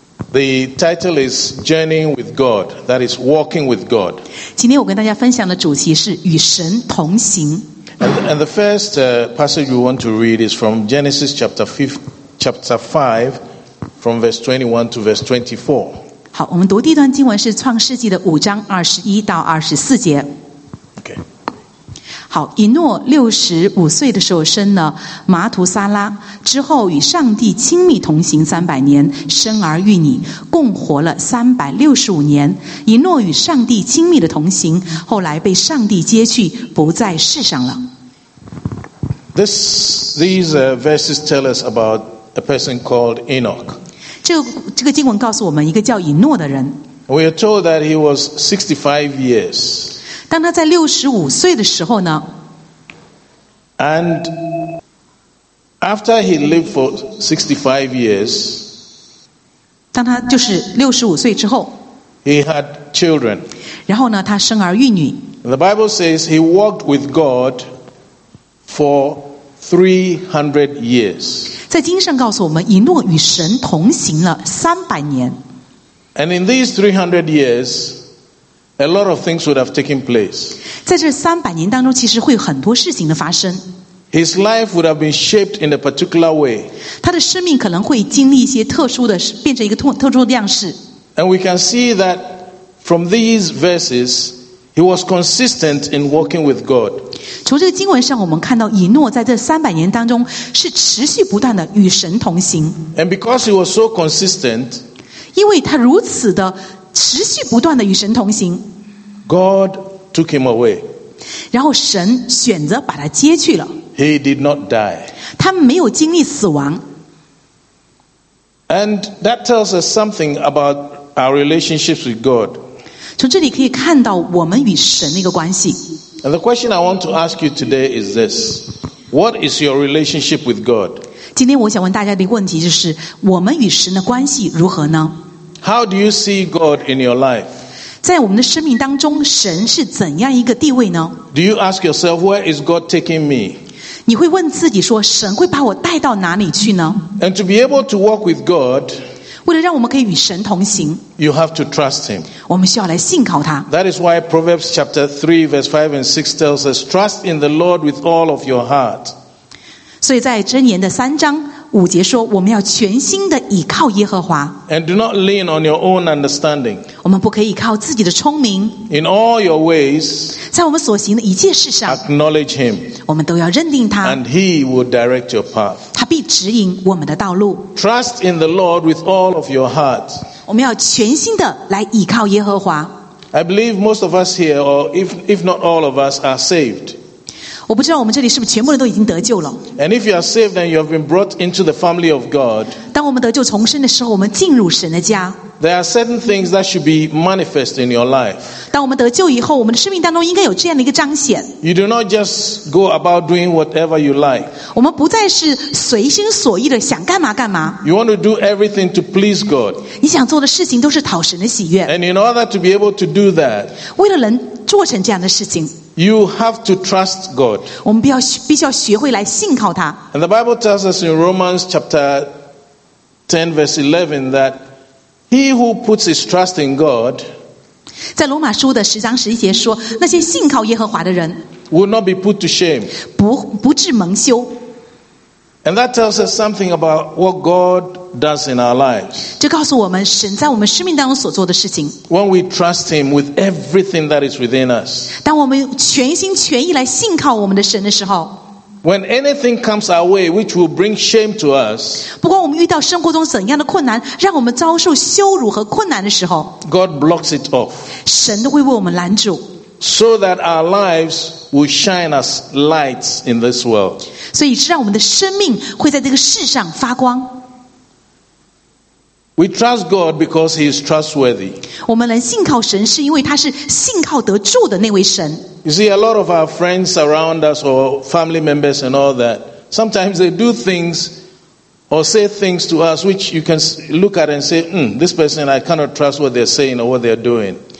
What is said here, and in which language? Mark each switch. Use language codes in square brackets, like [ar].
[en] The title is Journeying with God, that is Walking with God. [zh] 今天我跟大家分享的主题是与神同行。 [en] And the first passage we want to read is from Genesis chapter 5, from verse 21 to verse 24. [zh] 好，我们读第一段经文是创世纪的五章二十一到二十四节。 [en] Okay. [zh] 好，以诺六十五岁的时候生了马图撒拉，之后与上帝亲密同行三百年，生儿育女，共活了三百六十五年。以诺与上帝亲密的同行，后来被上帝接去，不在世上了。 [en] These verses tell us about a person called Enoch. [zh] 这个经文告诉我们一个叫以诺的人。 [en] We are told that he was 65 years. [zh] 当他在六十五岁的时候呢 [en] ？And after he lived for 65 years， [zh] 当他就是六十五岁之后 [en] ，he had children。 [zh] 然后呢，他生儿育女。 [en] The Bible says he walked with God for 300 years。 [zh] 在经上告诉我们，以诺与神同行了三百年。 [en] And in these 300 years。 A lot of things would have taken place. [zh] 在这三百年当中，其实会有很多事情的发生。 [en] His life would have been shaped in a particular way. [zh] 他的生命可能会经历一些特殊的，变成一个特殊的样式。 [en] And we can see that from these verses, he was consistent in walking with God. [zh] 从这个经文上，我们看到以诺在这三百年当中是持续不断的与神同行。 [en] And because he was so consistent, [zh] 因为他如此的。持续不断的与神同行 [en] God took him away [zh] 然后神选择把他接去了 [en] He did not die [zh] 他没有经历死亡 [en] And that tells us something about our relationships with God [zh] 从这里可以看到我们与神的一个关系 [en] And the question I want to ask you today is this What is your relationship with God? [zh] 今天我想问大家的问题就是我们与神的关系如何呢 [en] How do you see God in your life? [zh] 在我们的生命当中，神是怎样一个地位呢？ [en] Do you ask yourself, where is God taking me? [zh] 你会问自己说，神会把我带到哪里去呢？ [en] And to be able to walk with God, [zh] 为了让我们可以与神同行， [en] you have to trust him. [zh] 我们需要来信靠他。 [en] That is why Proverbs chapter 3 verse 5 and 6 tells us, trust in the Lord with all of your heart. [zh] 所以在箴言的三章五节说我们要全心的倚靠耶和华 [en] And do not lean on your own understanding [zh] 我们不可以靠自己的聪明。 [en] In all your ways, [zh] 在我们所行的一切事上 [en] acknowledge him, [zh] 我们都要认定他。 [en] And he will direct your path. [zh] 他必指引我们的道路。 [en] Trust in the Lord with all of your heart. [zh] 我们要全心的来倚靠耶和华。 [en] I believe most of us here, or if not all of us, are saved. [zh] 我不知道我们这里是不是全部人都已经得救了。 [en] And if you are saved and you have been brought into the family of God, [zh] 当我们得救重生的时候，我们进入神的家。 [en] There are certain things that should be manifest in your life. [zh] 当我们得救以后，我们的生命当中应该有这样的一个彰显。 [en] You do not just go about doing whatever you like. [zh] 我们不再是随心所欲的想干嘛干嘛。 [en] You want to do everything to please God. [zh] 你想做的事情都是讨神的喜悦。 [en] And in order to be able to do that, [zh] 为了能做成这样的事情。 [en] You have to trust God. [zh] 我们必须要学会来信靠他。 [en] And the Bible tells us in Romans chapter 10 verse 11 that he who puts his trust in God, [zh] 在罗马书的十章十一节说，那些信靠耶和华的人 [en] will not be put to shame. [zh] 不至蒙羞。 [en] And that tells us something about what God does in our lives. [zh] 这告诉我们神在我们生命当中所做的事情。 [en] When we trust Him with everything that is within us. [zh] 当我们全心全意来信靠我们的神的时候。 [en] When anything comes our way which will bring shame to us. [zh] 不管我们遇到生活中怎样的困难，让我们遭受羞辱和困难的时候。 [en] God blocks it off. [zh] 神都会为我们拦住。 [en] So that our lives will shine as lights in this world. [zh] 所以是让我们的生命会在这个世上发光。 [en] We trust God because He is trustworthy. [zh] 我们能信靠神是因为他是信靠得住的那位神。 [en] You see, a lot of our friends around us or family members and all that, sometimes they do things. Or say things to us which you can look at and say, this person I cannot trust what they're saying or what they're doing.